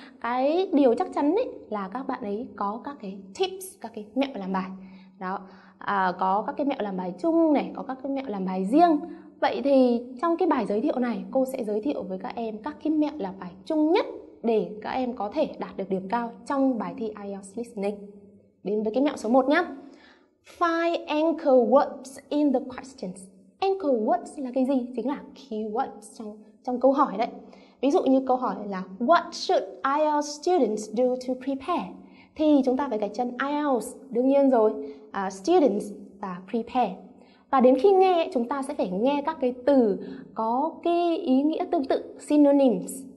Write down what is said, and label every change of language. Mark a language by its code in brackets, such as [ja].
[vi] Cái điều chắc chắn ấy là các bạn ấy có các cái tips, các cái mẹo làm bài. Đó. Có các cái mẹo làm bài chung này, có các cái mẹo làm bài riêng. Vậy thì trong cái bài giới thiệu này, cô sẽ giới thiệu với các em các cái mẹo làm bài chung nhất để các em có thể đạt được điểm cao trong bài thi IELTS Listening. Đến với cái mẹo số 1 nhé. [en] Find anchor words in the questions. [vi] Anchor words là cái gì? Chính là keywords trong câu hỏi đấy. Ví dụ như câu hỏi là [en] What should IELTS students do to prepare? [vi] Thì chúng ta phải gạch chân IELTS, đương nhiên rồi, students và prepare. Và đến khi nghe, chúng ta sẽ phải nghe các cái từ có cái ý nghĩa tương tự, synonyms.